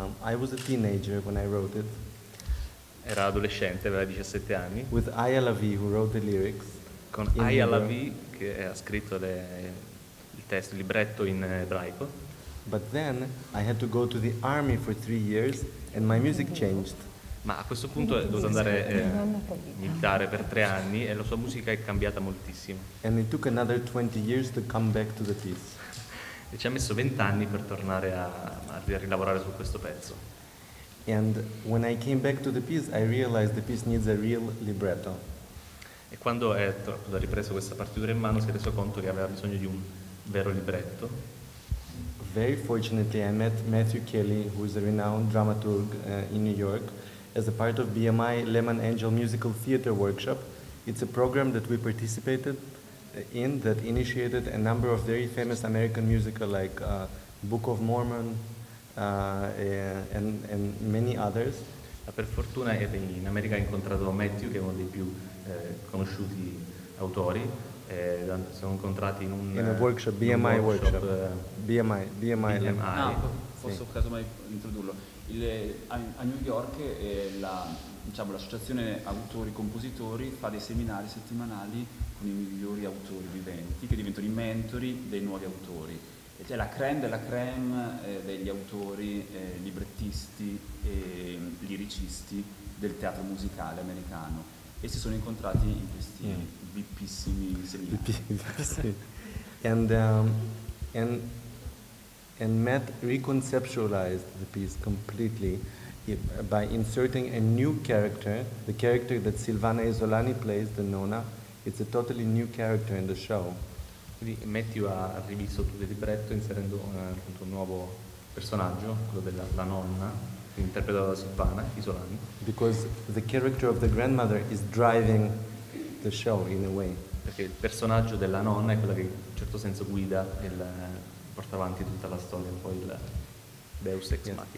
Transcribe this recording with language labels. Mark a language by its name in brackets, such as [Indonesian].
[English] I was a teenager when I wrote it. [Italian] Era adolescente, aveva 17 anni. [English] With Aya Lavie, who wrote the lyrics. [Italian] Con Aya Lavie, che ha scritto il libretto in ebraico. [English] But then I had to go to the army for 3 years and my music changed. [Italian] Ma a questo punto è dovuto andare militare per 3 anni e la sua musica è cambiata moltissimo. [English] And it took another 20 years to come back to the piece. [Italian] E ci ha messo 20 anni per tornare a rilavorare su questo pezzo. [English] And when I came back to the piece, I realized the piece needs a real libretto. [Italian] E quando ha ripreso questa partitura in mano, si è reso conto che aveva bisogno di un vero libretto. [English] Very fortunately, I met Matthew Kelly, who is a renowned dramaturg in New York, as a part of BMI Lehman Angel Musical Theater Workshop. It's a program that we participated in that initiated a number of very famous American musicals like Book of Mormon and many others. [Italian] Per fortuna in America ho incontrato Matthew, che è uno dei più conosciuti autori. Siamo incontrati in un workshop, BMI workshop. BMI. Posso casomai introdurlo. A New York l'associazione autori compositori fa dei seminari settimanali con i migliori autori viventi, che diventano i mentori dei nuovi autori. E c'è la creme della creme degli autori, librettisti e liricisti del teatro musicale americano. E si sono incontrati in questi vipissimi seminari. [English] And Matt reconceptualized the piece completely by inserting a new character, the character that Silvana Isolani plays, the Nona. It's a totally new character in the show. [Italian] Quindi Matthew ha rivisto tutto il libretto inserendo un nuovo personaggio, quello della la nonna, interpretata da Silvana Isolani. [English] Because the character of the grandmother is driving the show in a way. [Italian] Perché il personaggio della nonna è quella che in un certo senso guida il porta avanti tutta la storia, poi il Deus Ex Machina.